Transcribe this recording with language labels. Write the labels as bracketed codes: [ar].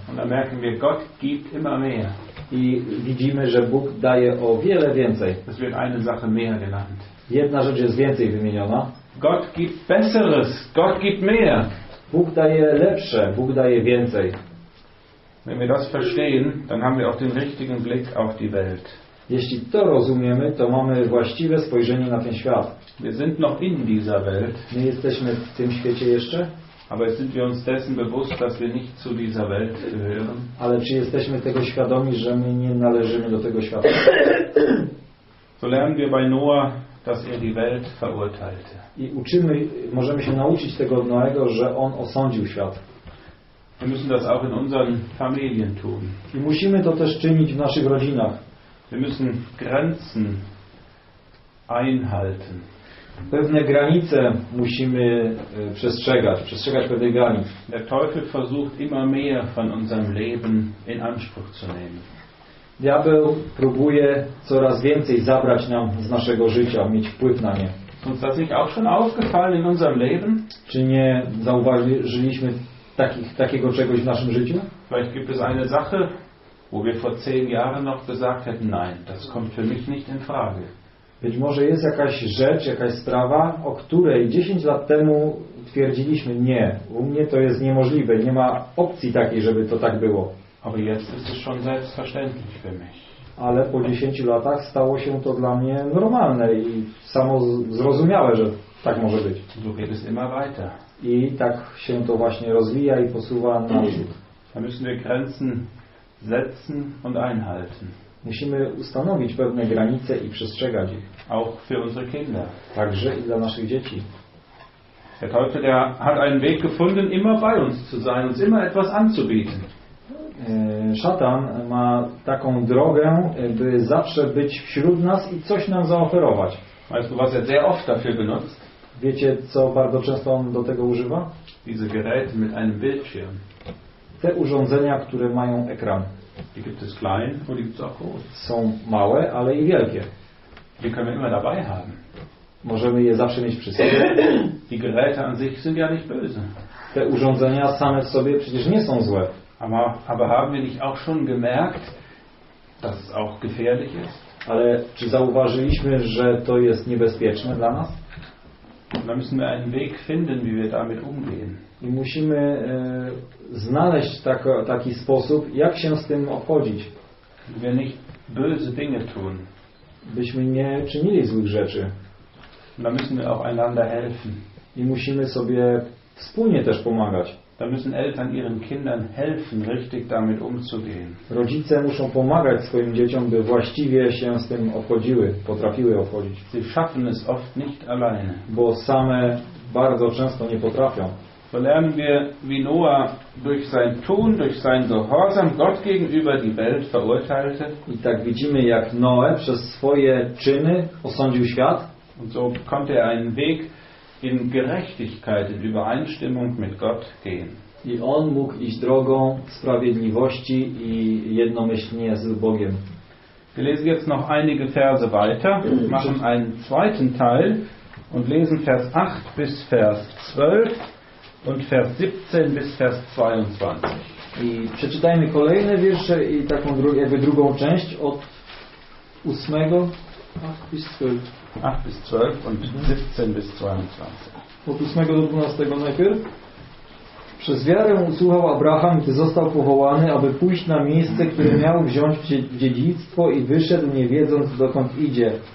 [de] Und da merken wir, Gott gibt immer mehr. [pl] I widzimy, że Bóg daje o wiele więcej. [de] Es wird eine Sache mehr genannt. [pl] Jedna rzecz jest więcej wymieniona. [de] Gott gibt besseres, Gott gibt mehr. [pl] Bóg daje lepsze, Bóg daje więcej. [de] Wenn wir das verstehen, dann haben wir auch den richtigen Blick auf die Welt. [pl] Jeśli to rozumiemy, to mamy właściwe spojrzenie na ten świat. [de] Wir sind noch in dieser Welt. [pl] My jesteśmy w tym świecie jeszcze. [de] Aber sind wir uns dessen bewusst, dass wir nicht zu dieser Welt gehören? [pl] Ale czy jesteśmy tego świadomi, że my nie należymy do tego świata? [de] So lernen wir bei Noah, dass er die Welt verurteilte. [pl] I uczymy, możemy się nauczyć tego od Noego, że on osądził świat. [de] Wir müssen das auch in unseren Familien tun. [pl] I musimy to też czynić w naszych rodzinach. [de] Wir müssen Grenzen einhalten. [pl] Pewne granice musimy przestrzegać pewnych granic. [de] Der Teufel versucht immer mehr von unserem Leben in Anspruch zu nehmen. [pl] Diabeł próbuje coraz więcej zabrać nam z naszego życia, mieć wpływ na nie. [de] Uns das nicht auch schon aufgefallen in unserem Leben? [pl] Czy nie zauważyliśmy takiego czegoś w naszym życiu? [de] Vielleicht gibt es eine Sache, wo wir vor 10 Jahren noch gesagt hätten, nein, das kommt für mich nicht in Frage. [pl] Być może jest jakaś rzecz, jakaś sprawa, o której 10 lat temu twierdziliśmy, nie, u mnie to jest niemożliwe, nie ma opcji takiej, żeby to tak było. [de] Aber jetzt ist es schon selbstverständlich für mich. [pl] Ale po 10 latach stało się to dla mnie normalne i samo zrozumiałe, że tak może być. [de] Du gehst immer weiter. [pl] I tak się to właśnie rozwija i posuwa naprzód. [de] Da müssen wir Grenzen setzen und einhalten. [pl] Musimy ustanowić pewne granice i przestrzegać ich. [de] Auch für unsere Kinder. [pl] Także i dla naszych dzieci. [de] Der Teufel, der hat einen Weg gefunden, immer bei uns zu sein, uns immer etwas anzubieten. [pl] Szatan ma taką drogę, by zawsze być wśród nas i coś nam zaoferować. [de] Weißt du, was er sehr oft dafür benutzt? [pl] Wiecie, co bardzo często on do tego używa? [de] Diese Geräte mit einem Bildschirm. [pl] Te urządzenia, które mają ekran. [de] Die gibt es klein, und die gibt es auch groß. [pl] Są małe, ale i wielkie. [de] Die können wir immer dabei haben. [pl] Możemy je zawsze mieć przy sobie. [de] Die Geräte an sich sind ja nicht böse. [pl] Te urządzenia same w sobie przecież nie są złe. [de] Aber haben wir nicht auch schon gemerkt, dass es auch gefährlich ist? [pl] Ale czy zauważyliśmy, że to jest niebezpieczne dla nas? [de] Da müssen wir einen Weg finden, wie wir damit umgehen. [pl] I musimy znaleźć taki sposób, jak się z tym obchodzić. [de] Wir nicht böse Dinge tun. [pl] Byśmy nie czynili złych rzeczy. [de] Da müssen wir auch einander helfen. [pl] I musimy sobie wspólnie też pomagać. [de] Da müssen Eltern ihren Kindern helfen, richtig damit umzugehen. [pl] Rodzice muszą pomagać swoim dzieciom, by właściwie się z tym obchodziły, potrafiły obchodzić. [de] Sie schaffen es oft nicht alleine. [pl] Bo same bardzo często nie potrafią. [de] So lernen wir, wie Noah durch sein Tun, durch sein Gehorsam Gott gegenüber die Welt verurteilte. [pl] I tak widzimy, jak Noe przez swoje czyny osądził świat. [de] Und so konnte er einen Weg in Gerechtigkeit, in Übereinstimmung mit Gott gehen. [pl] I on mógł iść drogą sprawiedliwości i jednomyślnie z Bogiem. [de] Wir lesen jetzt noch einige Verse weiter, machen einen zweiten Teil und lesen Vers 8 bis Vers 12 und Vers 17 bis Vers 22. [pl] I przeczytajmy kolejne wiersze i taką drugą część od 8. [de] 8 bis 12. 8 bis 12 und 17 bis 22. [pl] Od 8 do 12 najpierw. Przez wiarę usłuchał Abraham, gdy został powołany, aby pójść na miejsce, które miał wziąć w dziedzictwo, i wyszedł, nie wiedząc, dokąd idzie.